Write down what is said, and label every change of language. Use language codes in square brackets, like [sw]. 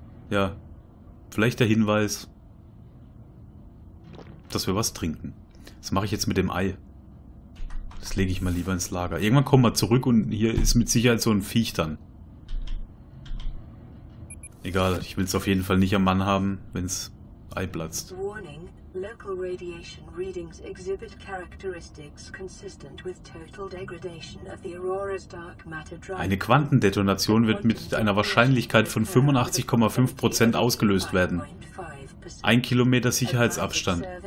[de] Ja, vielleicht der Hinweis, dass wir was trinken. Das mache ich jetzt mit dem Ei. Das lege ich mal lieber ins Lager. Irgendwann kommen wir zurück und hier ist mit Sicherheit so ein Viech dann. Egal, ich will es auf jeden Fall nicht am Mann haben, wenn es Ei platzt. [en] Warning. Local radiation readings exhibit characteristics consistent with total degradation of the Aurora's dark matter drive. [de] Eine Quantendetonation wird mit einer Wahrscheinlichkeit von 85,5% ausgelöst werden. 1 Kilometer Sicherheitsabstand.